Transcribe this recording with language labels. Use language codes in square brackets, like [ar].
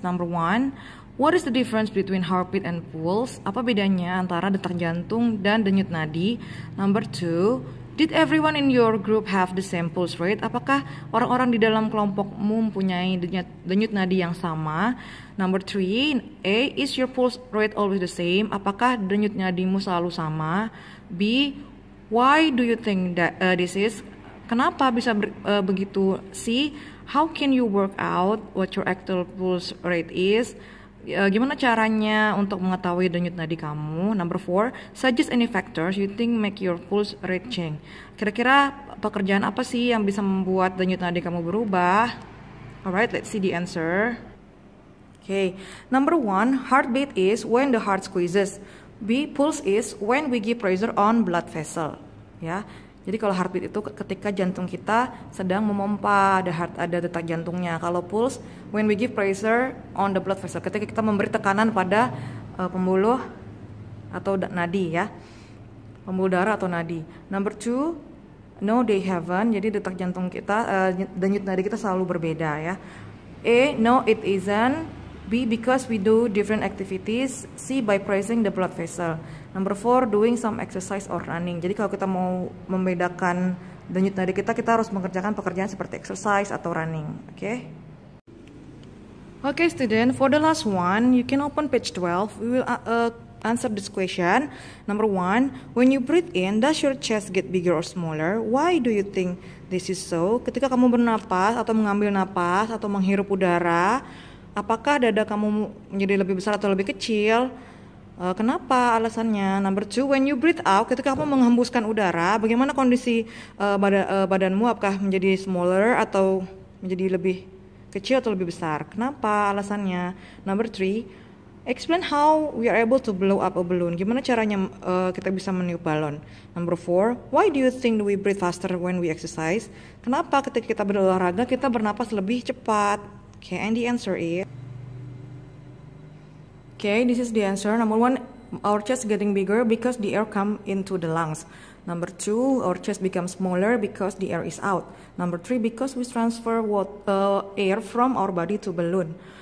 [en] Number 1, what is the difference between heartbeat and pulse? [id] Apa bedanya antara detak jantung dan denyut nadi? [en] Number 2, did everyone in your group have the same pulse rate? [id] Apakah orang-orang di dalam kelompokmu mempunyai denyut nadi yang sama? [en] Number 3, A, is your pulse rate always the same? [id] Apakah denyut nadimu selalu sama? [en] B, why do you think that this is? [id] Kenapa bisa begitu? [en] C, how can you work out what your actual pulse rate is? [id] Gimana caranya untuk mengetahui denyut nadi kamu? [en] Number 4, suggest any factors you think make your pulse rate change. [id] Kira-kira pekerjaan apa sih yang bisa membuat denyut nadi kamu berubah? [en] Alright, let's see the answer. Okay, number 1, heartbeat is when the heart squeezes. B, pulse is when we give pressure on blood vessel. Ya. [id] Jadi kalau heartbeat itu ketika jantung kita sedang memompa, ada detak jantungnya. Kalau pulse, [en] when we give pressure on the blood vessel, [id] ketika kita memberi tekanan pada pembuluh atau nadi ya, pembuluh darah atau nadi. [en] Number 2, no they haven't, [id] jadi detak jantung kita, denyut nadi kita selalu berbeda ya. [en] A, no it isn't. B, because we do different activities. C, by pressing the blood vessel. Number 4, doing some exercise or running. [id] Jadi kalau kita mau membedakan denyut nadi kita, kita harus mengerjakan pekerjaan seperti exercise atau running. Oke. [en] Okay, student, for the last one, you can open page 12. We will answer this question. Number 1, when you breathe in, does your chest get bigger or smaller? Why do you think this is so? [id] Ketika kamu bernapas atau mengambil napas atau menghirup udara, apakah dada kamu menjadi lebih besar atau lebih kecil? Kenapa alasannya? [en] Number 2, when you breathe out, [id] ketika kamu menghembuskan udara, bagaimana kondisi badanmu? Apakah menjadi smaller atau menjadi lebih kecil atau lebih besar? Kenapa alasannya? [en] Number 3, explain how we are able to blow up a balloon. [id] Gimana caranya kita bisa meniup balon? [en] Number 4, why do you think we breathe faster when we exercise? [id] Kenapa ketika kita berolahraga, kita bernapas lebih cepat? [en] Okay, and the answer is, okay, this is the answer. Number 1, our chest getting bigger because the air come into the lungs. Number 2, our chest becomes smaller because the air is out. Number 3, because we transfer air from our body to balloon.